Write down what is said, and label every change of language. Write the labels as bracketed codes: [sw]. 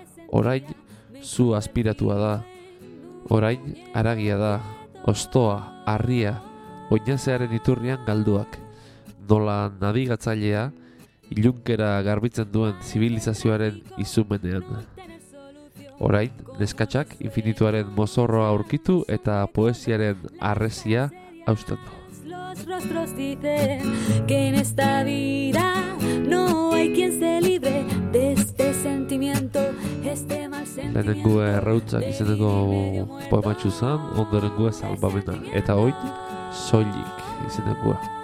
[eu] Orain zu aspiratua da, orain aragia da, ostoa, harria, oinazearen iturrian galduak, nola nabigatzailea ilunkera garbitzen duen zibilizazioaren izumenean. Orain, neskatxak infinituaren mozorroa aurkitu eta poesiaren arrezia hausten du. [es] Los rostros dicen que en esta vida no hay quien se libre de este sentimiento, este mal sentimiento. [eu] Lehenengo errautzak izeneko poematxu zan, ondorengo salbamena, eta hoi soilik izenekoa.